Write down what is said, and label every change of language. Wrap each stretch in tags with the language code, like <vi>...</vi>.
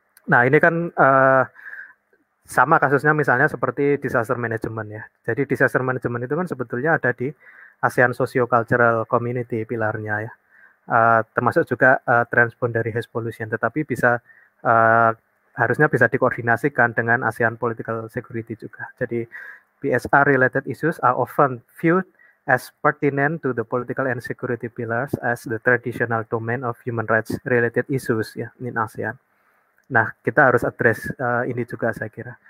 <id>Nah, ini kan sama kasusnya misalnya seperti disaster management ya. Jadi disaster management itu kan sebetulnya ada di ASEAN Sociocultural Community pilarnya ya. Termasuk juga transboundary haze pollution, tetapi bisa harusnya bisa dikoordinasikan dengan ASEAN Political Security juga.</id> <en>Jadi PSR related issues are often viewed as pertinent to the political and security pillars as the traditional domain of human rights related issues ya in ASEAN.</en> <id>Nah, kita harus address ini juga saya kira.</id>